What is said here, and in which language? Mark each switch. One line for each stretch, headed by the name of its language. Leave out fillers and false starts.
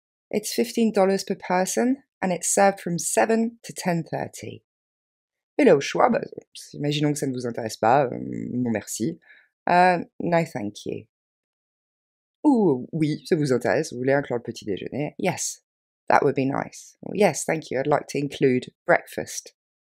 English: It's $15 per person and it's served from 7 to 10:30.
French: Mais là, au choix, bah, imaginons que ça ne vous intéresse pas, non merci.
English: No thank you.
French: Ou oui, ça vous intéresse, vous voulez inclure le petit déjeuner.
English: Yes, that would be nice. Yes, thank you, I'd like to include breakfast.